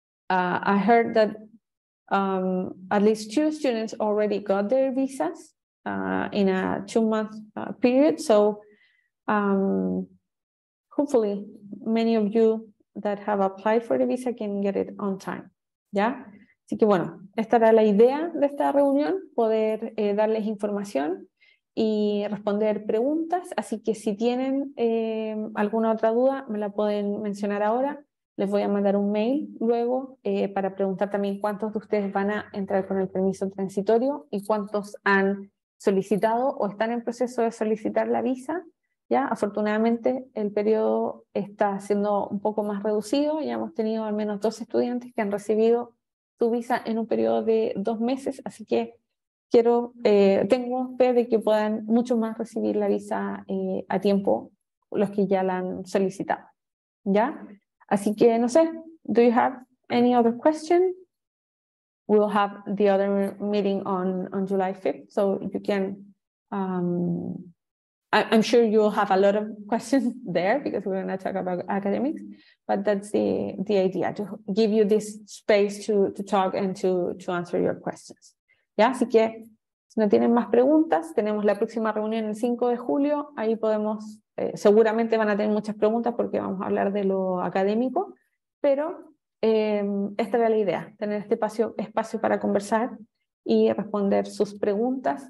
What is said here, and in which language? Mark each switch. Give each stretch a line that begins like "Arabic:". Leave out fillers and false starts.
English: I heard that at least two students already got their visas in a 2-month period. So hopefully many of you that have applied for the visa can get it on time. Yeah.
Spanish: Así que bueno, esta era la idea de esta reunión, poder darles información y responder preguntas. Así que si tienen alguna otra duda, me la pueden mencionar ahora. Les voy a mandar un mail luego para preguntar también cuántos de ustedes van a entrar con el permiso transitorio y cuántos han solicitado o están en proceso de solicitar la visa. Ya, afortunadamente, el periodo está siendo un poco más reducido. Ya hemos tenido al menos 2 estudiantes que han recibido tu visa en un periodo de 2 meses. Así que quiero, tengo fe de que puedan mucho más recibir la visa a tiempo los que ya la han solicitado. ¿Ya? Así que, no sé,
English: do you have any other question? We'll have the other meeting on July 5th, so you can, I'm sure you'll have a lot of questions there because we're going to talk about academics, but that's the idea, to give you this space to talk and to answer your questions.
Spanish: ¿Ya? Así que, si no tienen más preguntas, tenemos la próxima reunión el 5 de julio, ahí podemos... seguramente van a tener muchas preguntas porque vamos a hablar de lo académico, pero esta era la idea, tener este espacio para conversar y responder sus preguntas.